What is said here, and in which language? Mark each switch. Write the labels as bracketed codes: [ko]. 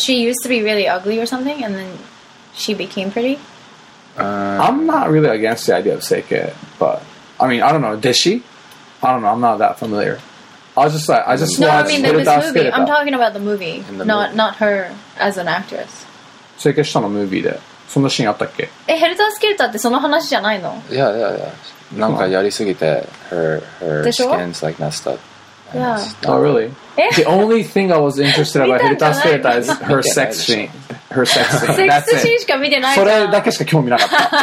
[en] She used to be really ugly or something, and then she became pretty. I'm not really against the idea of seike, but. I mean, I don't know. Did she? I don't know. I'm not that familiar. I just no, watched. No, I mean, in this movie. I'm talking about the movie, not her as an actress. So, I guess, in the movie, did [ja] そんなシーンあったっけ？え、ヘルタースケルターってその話じゃないの？ [en] Yeah, yeah, yeah. [ja] なんかやりすぎて [en] her skin's like messed up. Yeah. Oh, really? The only thing I was interested about ヘルタースケルターis her sex scene. Her sex scene. [ja] セックスシーンしか見てないじゃん。それだけしか興味なかった。